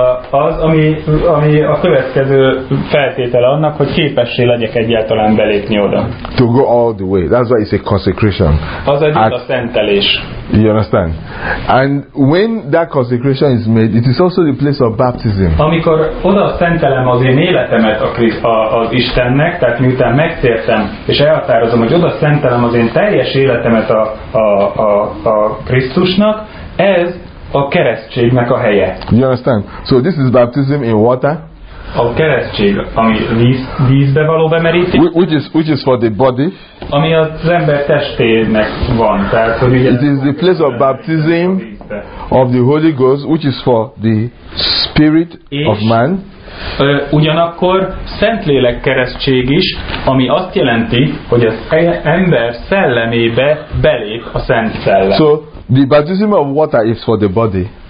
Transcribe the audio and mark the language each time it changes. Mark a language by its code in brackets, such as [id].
[hu] Az, ami a következő feltétele annak, hogy képessé legyek egyáltalán belépni oda. [en] To go all the way, that's why it's a consecration. [hu] Az egy oda szentelés. [en] You understand? And when that consecration is made, it is also the place of baptism. [hu] Amikor oda szentelem az én életemet az Istennek, tehát miután megtértem és elhatározom, hogy oda szentelem az én teljes életemet a Krisztusnak, ez a keresztségnek a helye. [en] You understand? So this is baptism in water. [hu] A keresztség, ami vízbe való bemeríték. [en] Which is for the body. [hu] Ami az ember testének van. Tehát, hogy ugye [en] it is the place of baptism of the Holy Ghost, which is for the spirit of man. [hu] Ugyanakkor Szentlélek keresztség is, ami azt jelenti, hogy az ember szellemébe belép a Szent Szellem. [en] So, the baptism of water is for the body.